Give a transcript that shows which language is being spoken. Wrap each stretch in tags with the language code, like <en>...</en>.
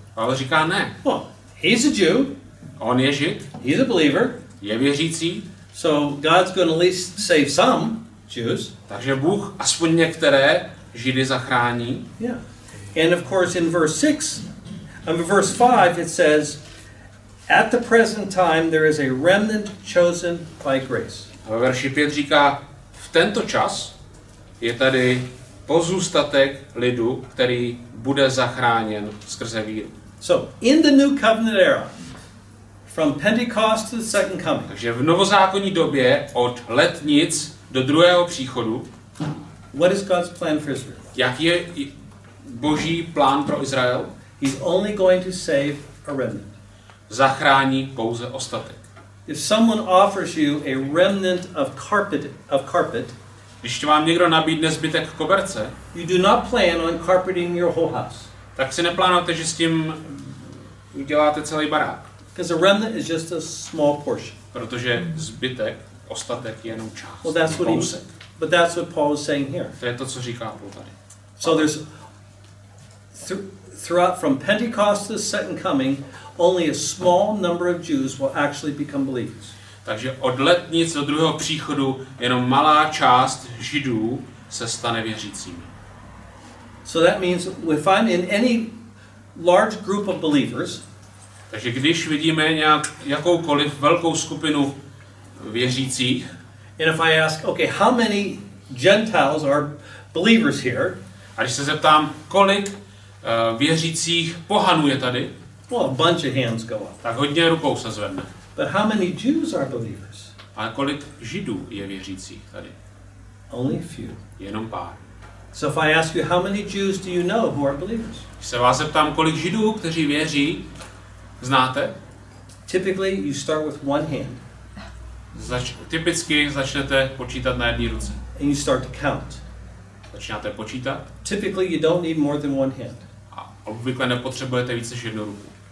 <cs>Pavel říká ne.</cs> <en>Well, he's a Jew.</en> <cs>On je Žid.</cs> <en>He's a believer.</en> <cs>Je věřící.</cs> <en>So God's going to at least save some Jews.</en> <cs>Takže Bůh aspoň některé Židy zachrání.</cs> <en>Yeah. And of course in verse 6, in verse 5 it says, at the present time there is a remnant chosen by grace.</en> <cs>A ve verši 5 říká, v tento čas je tady pozůstatek lidu, který bude zachráněn skrze víru.</cs> <en>So, in the new covenant era, from Pentecost to the second coming.</en> <cs>Takže v novozákonní době od letnic do druhého příchodu.</cs> <en>What is God's plan for Israel?</en> <cs>Jaký je Boží plán pro Izrael?</cs> <en>He's only going to save a remnant.</en> <cs>Zachrání pouze ostatek.</cs> <en>If someone offers you a remnant of carpet,</en> <cs>když vám někdo nabídne zbytek koberce,</cs> <en>you do not plan on carpeting your whole house.</en> <cs>Tak si neplánujete, že s tím uděláte celý barák.</cs> <en>Because a remnant is just a small portion.</en> <cs>Protože zbytek, ostatek je jenom část.</cs> <en>Well, that's what he, but that's what Paul is saying here.</en> <cs>To je to, co říká Paul tady.</cs> <en>So there's throughout from Pentecost to the second coming, only a small number of Jews will actually become believers.</en> <cs>Takže od letnic do druhého příchodu jenom malá část Židů se stane věřícími.</cs> <en>So that means if I'm in any large group of believers,</en> <cs>takže když vidíme nějak jakoukoliv velkou skupinu věřících,</cs> <en>and if I ask, okay, how many Gentiles are believers here?</en> <cs>A když se zeptám, kolik věřících pohanů je tady?</cs> <en>Well, a bunch of hands go up.</en> <cs>Tak hodně rukou se zvedne.</cs> <en>But how many Jews are believers?</en> <cs>A kolik Židů je věřících tady?</cs> <en>Only a few.</en> <cs>Jenom pár.</cs> <en>So if I ask you, how many Jews do you know who are believers?</en> <cs>Když se vás zeptám, kolik Židů, kteří věří, znáte?</cs> <en>Typically you start with one hand.</en> <cs>Typicky začnete počítat na jedné ruce.</cs> <en>And you start to count.</en> <cs>Začínáte počítat.</cs> <en>Typically you don't need more than one hand.</en> <cs>A obvykle nepotřebujete více než jednu ruku.</cs>